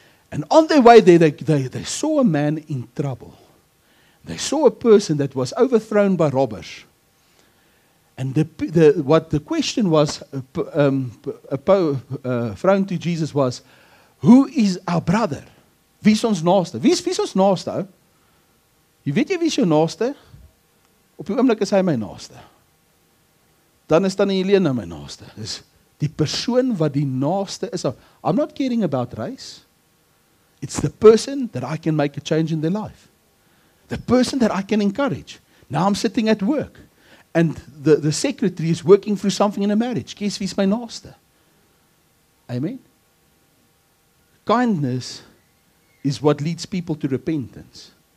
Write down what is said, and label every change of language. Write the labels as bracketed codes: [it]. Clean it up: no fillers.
[en] And on their way there, they saw a man in trouble. They saw a person that was overthrown by robbers. And the question was thrown to Jesus was, who is our brother? [af] Wie is ons naaste? Wie is ons naaste? Jy weet jy wie is jou naaste? Op die oomblik is hy my naaste. Dan is Tannie Helena my naaste. Dis die persoon wat die naaste is. [en] I'm not caring about race. It's the person that I can make a change in their life. The person that I can encourage. Now I'm sitting at work. And the secretary is working through something in a marriage. Guess who's my naaste? Amen? Kindness is what leads people to repentance.